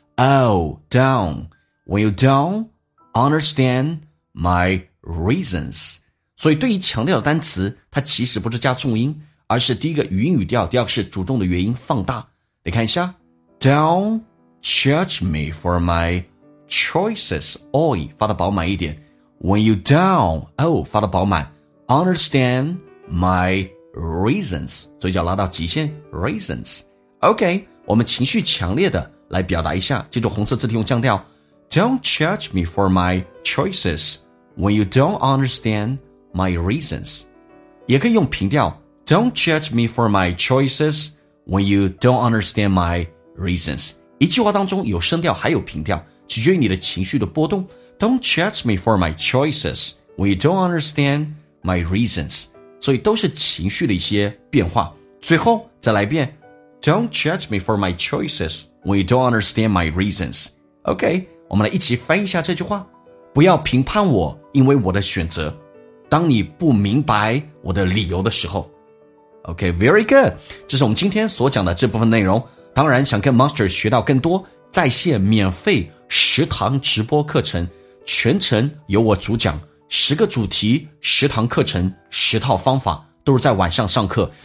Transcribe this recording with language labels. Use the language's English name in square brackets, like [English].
[English] Oh, don't when you don't understand my reasons。 [Chinese] 所以对于强调的单词，它其实不是加重音，而是第一个语音语调，第二个是主重的元音放大。你看一下 [English] ，Don't judge me for my choices。 [Chinese] Oi， 发得饱满一点。 [English] When you don't, oh, [Chinese] 发得饱满 [English] understand my reasons， [Chinese] 嘴角拉到极限 [English] reasons。 [Chinese] OK， 我们情绪强烈的来表达一下，记住红色字体用降调 [English] Don't judge me for my choices when you don't understand my reasons， [Chinese] 也可以用平调 [English] Don't judge me for my choices when you don't understand my reasons。 [Chinese] 一句话当中有声调还有平调，取决于你的情绪的波动。 [English] Don't judge me for my choices when you don't understand my reasons。 [Chinese] 所以都是情绪的一些变化。最后再来一遍， [English] Don't judge me for my choices when you don't understand my reasons。 [Chinese] OK， 我们来一起翻译一下这句话。不要评判我因为我的选择，当你不明白我的理由的时候。 [English] OK， very good， [Chinese] 这是我们今天所讲的这部分内容。当然想跟 Master 学到更多在线免费十堂直播课程，全程由我主讲，十个主题，十堂课程，十套方法，都是在晚上上课。